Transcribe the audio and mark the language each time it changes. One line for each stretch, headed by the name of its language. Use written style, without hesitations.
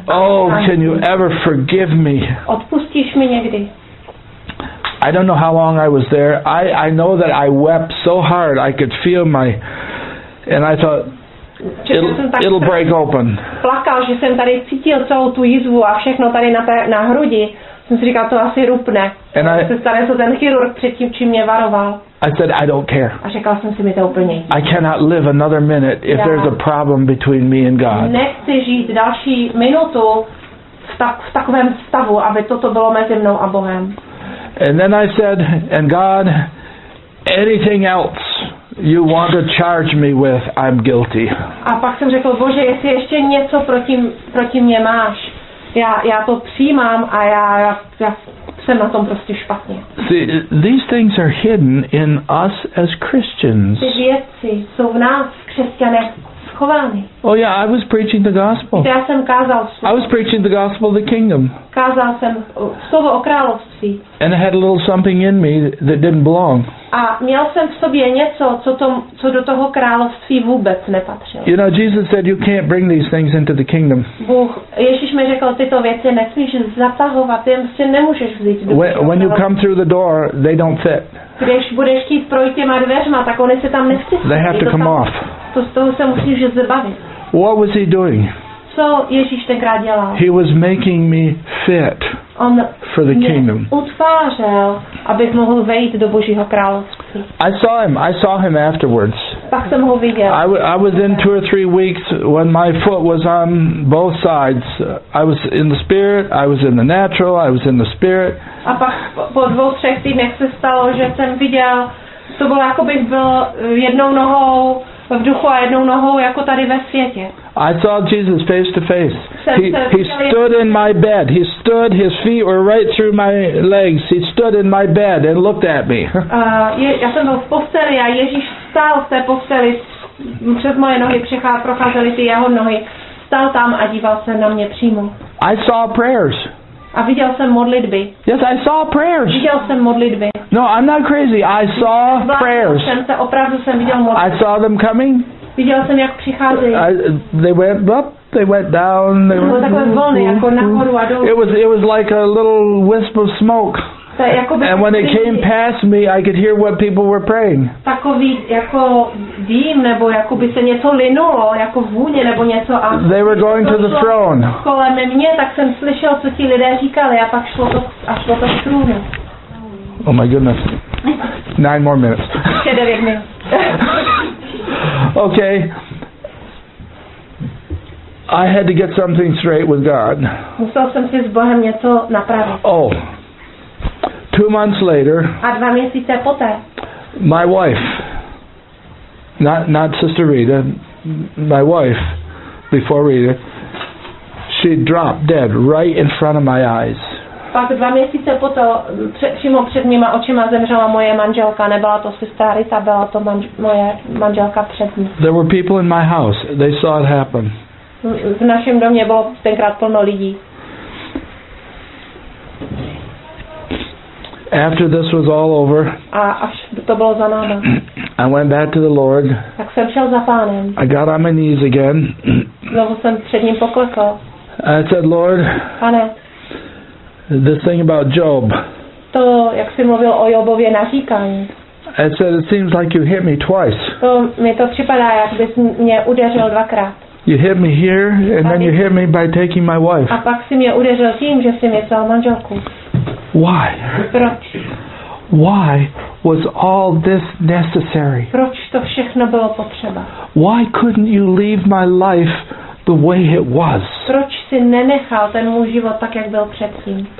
English: Oh, can you ever forgive me?
Czech: Odpustíš mi někdy?
English: I don't know how long I was there. I know that I wept so hard I could feel my, and I thought, it'll break open.
Czech: Plakal, že jsem tady cítil celou tu jizvu a všechno tady na hrudi. Jsem si říkal, to asi rupne.
English: And
Czech: se stane, co ten chirurg předtím, čím mě varoval.
English: I said, I don't care.
Czech: A řekl jsem si, mi to úplně jedno.
English: I cannot live another minute if there's a problem between me and God.
Czech: Nechci žít další minutu v takovém stavu, aby toto bylo mezi mnou a Bohem.
English: And then I said, and God, anything else you want to charge me with, I'm guilty.
Czech: A pak jsem řekl, Bože, jestli ještě něco proti mě máš, já to přijímám a já jsem na tom prostě špatně.
English: See, these things are hidden in us as Christians.
Czech: Ty věci jsou v nás, křesťané, schovány.
English: Oh yeah, I was preaching the gospel.
Czech: Já jsem kázal slovo.
English: I was preaching the gospel of the kingdom.
Czech: Kázal jsem slovo o království.
English: And I had a little something in me that didn't belong.
Czech: A měl jsem v sobě něco, co do toho království vůbec nepatřilo.
English: You know, Jesus said you can't bring these things into the kingdom.
Czech: Bůh, Ježíš mi řekl, tyto věci nesmíš zatahovat, jim si nemůžeš vzít.
English: When you come through the door, they don't fit.
Czech: Když budeš chtít projít těma dveřma, tak oni se tam nestisnou.
English: They have to come off.
Czech: To z toho se musíš zbavit.
English: What was he doing?
Czech: Co Ježíš tenkrát dělal?
English: He was making me fit.
Czech: On
English: for the kingdom.
Czech: Utvářel, abych mohl vejít do Božího království.
English: I saw him afterwards.
Czech: Pak jsem ho viděl.
English: I was in two or three weeks when my foot was on both sides. I was in the spirit, I was in the natural, I was in the spirit.
Czech: A pak po dvou třech týdnech se stalo, že jsem viděl, to bylo jako bych byl jednou nohou v duchu a jednou nohou jako tady ve světě.
English: I saw Jesus face to face. He stood in my bed. He stood, his feet were right through my legs. He stood in my bed and looked at me.
Czech: Já jsem byl v posteli a Ježíš stál v té posteli přes moje nohy, procházely ty jeho nohy. Stál tam a díval se na mě přímo.
English: I saw prayers.
Czech: A viděl jsem modlitby.
English: Yes, I saw prayers.
Czech: Viděl jsem modlitby.
English: No, I'm not crazy. I saw prayers.
Czech: Opravdu jsem viděl modlitby.
English: I saw them coming.
Czech: Viděl jsem, jak přicházejí.
English: They went up, they went down.
Czech: To bylo takové vlny, jako nahoru a dolů.
English: It was like a little wisp of smoke. And when it came past me, I could hear what people were praying.
Czech: Takový jako dým, nebo jakoby se něco linulo, jako vůně, nebo něco.
English: They were going to the throne.
Czech: Kolem mě, tak jsem slyšel, co ti lidé říkali, a pak šlo to a šlo to k trůnu.
English: Oh my goodness. 9 more minutes.
Czech: Ještě 9 minut.
English: Okay. I had to get something straight with God.
Czech: Musel jsem si s Bohem něco napravit.
English: Oh. 2 months later,
Czech: a 2 měsíce poté,
English: my wife, not Sister Rita, my wife, before Rita, she dropped dead right in front of my eyes.
Czech: Pak 2 měsíce poté, přímo před mýma očima zemřela moje manželka, nebyla to sestra Rita, byla to moje manželka před ní.
English: There were people in my house, they saw it happen.
Czech: V našem domě bylo tenkrát plno lidí.
English: After this was all over,
Czech: to bylo za náma,
English: I went back to the Lord.
Czech: Tak jsem šel za Pánem.
English: I got on my knees again.
Czech: Znovu jsem před ním poklekl.
English: I said, Lord,
Czech: Pane,
English: this thing about Job.
Czech: To, jak jsi mluvil o Jobově naříkání.
English: I said, it seems like you hit me twice.
Czech: To mi to připadá, jak bys mě udeřil dvakrát.
English: You hit me here, and then you hit me by taking my wife.
Czech: A pak jsi mě udeřil tím, že jsi mi vzal manželku.
English: Why?
Czech: Proč?
English: Why was all this necessary?
Czech: Proč to všechno bylo potřeba?
English: Why couldn't you leave my life the way it was?
Czech: Proč jsi nenechal ten můj život tak, jak byl předtím?